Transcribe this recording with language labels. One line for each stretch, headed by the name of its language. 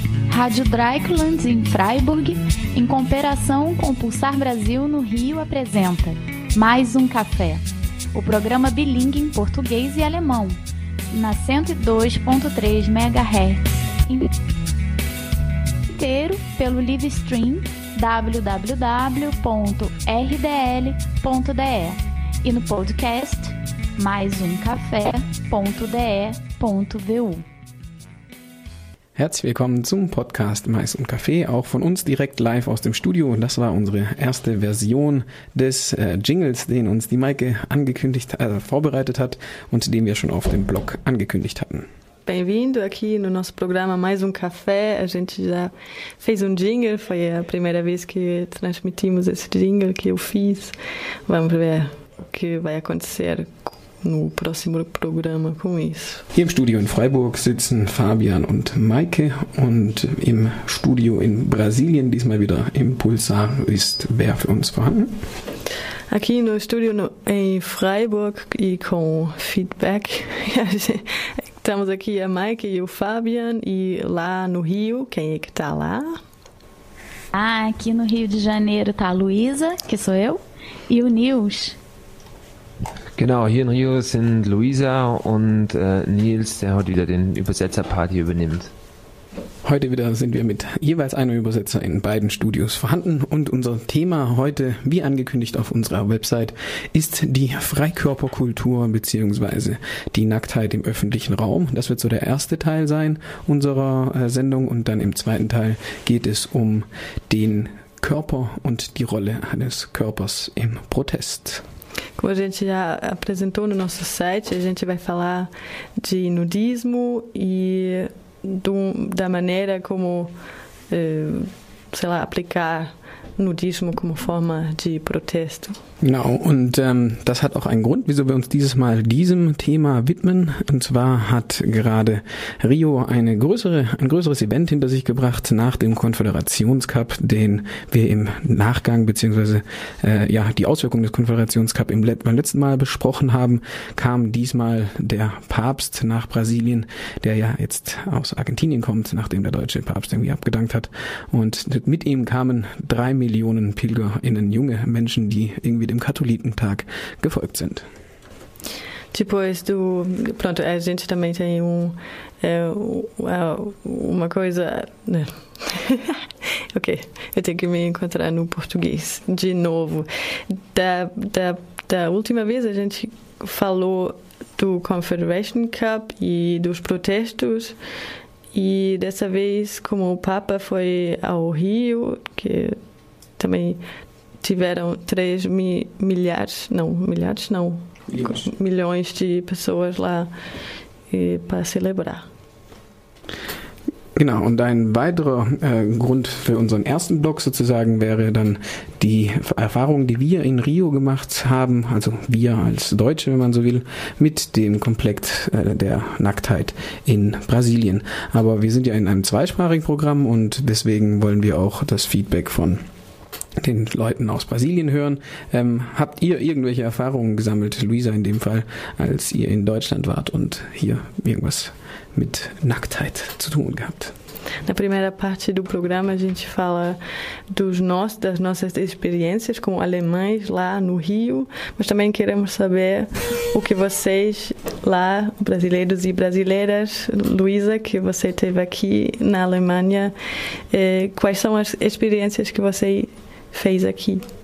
Portuguese: Rádio Dreieckland em Freiburg, em cooperação com Pulsar Brasil no Rio, apresenta Mais um Café, o programa bilíngue em português e alemão, na 102.3 MHz, inteiro pelo live stream www.rdl.de e no podcast maisumcafé.de.vu.
German: Herzlich willkommen zum Podcast Mais und Café, auch von uns direkt live aus dem Studio. Und das war unsere erste Version des Jingles, den uns die Maike angekündigt, vorbereitet hat und den wir schon auf dem Blog angekündigt hatten.
Portuguese: Bem-vindo aqui no nosso programa Mais um Café. A gente já fez jingle, foi a primeira vez que transmitimos esse jingle que eu fiz. Vamos ver o que vai acontecer no próximo programa com isso.
German: Hier im Studio in Freiburg sitzen Fabian und Maike und im Studio in Brasilien, diesmal wieder im Pulsar, ist wer für uns vorhanden?
Portuguese: Aqui no Studio em Freiburg e com feedback, estamos aqui a Maike e o Fabian e lá no Rio, quem é que está lá? Ah, aqui no Rio de Janeiro está a Luísa, que sou eu, e o Nils.
German: Genau, hier in Rio sind Luisa und Nils, der heute wieder den Übersetzerpart hier übernimmt. Heute wieder sind wir mit jeweils einem Übersetzer in beiden Studios vorhanden und unser Thema heute, wie angekündigt auf unserer Website, ist die Freikörperkultur bzw. die Nacktheit im öffentlichen Raum. Das wird so der erste Teil sein unserer Sendung und dann im zweiten Teil geht es um den Körper und die Rolle eines Körpers im Protest.
Portuguese: Como a gente já apresentou no nosso site, a gente vai falar de nudismo e da maneira como, sei lá, aplicar nudismo como forma de protesto.
German: Genau, und das hat auch einen Grund, wieso wir uns dieses Mal diesem Thema widmen. Und zwar hat gerade Rio ein größeres Event hinter sich gebracht nach dem Konföderationscup, den wir im Nachgang beziehungsweise die Auswirkungen des Konföderationscup beim letzten Mal besprochen haben, kam diesmal der Papst nach Brasilien, der ja jetzt aus Argentinien kommt, nachdem der deutsche Papst irgendwie abgedankt hat. Und mit ihm kamen 3 Millionen PilgerInnen, junge Menschen, die irgendwie wie dem Katholikentag gefolgt sind.
Portuguese: Depois do, pronto, a gente também tem uma coisa, né? Ok, eu tenho que me encontrar no português de novo. Da última vez a gente falou do Confederation Cup e dos protestos e dessa vez como o Papa foi ao Rio, que também tiveram 3 milhões de pessoas lá para celebrar.
German: Genau, und ein weiterer Grund für unseren ersten Block sozusagen wäre dann die Erfahrung, die wir in Rio gemacht haben, also wir als Deutsche, wenn man so will, mit dem Komplex der Nacktheit in Brasilien. Aber wir sind ja in einem zweisprachigen Programm und deswegen wollen wir auch das Feedback von den Leuten aus Brasilien hören. Habt ihr irgendwelche Erfahrungen gesammelt, Luisa in dem Fall, als ihr in Deutschland wart und hier irgendwas mit Nacktheit zu tun gehabt?
Portuguese: Na primeira parte do programa a gente fala das nossas experiências com alemães lá no Rio, mas também queremos saber o que vocês lá, brasileiros e brasileiras, Luisa, que você teve aqui na Alemanha, quais são as experiências que você fez aqui?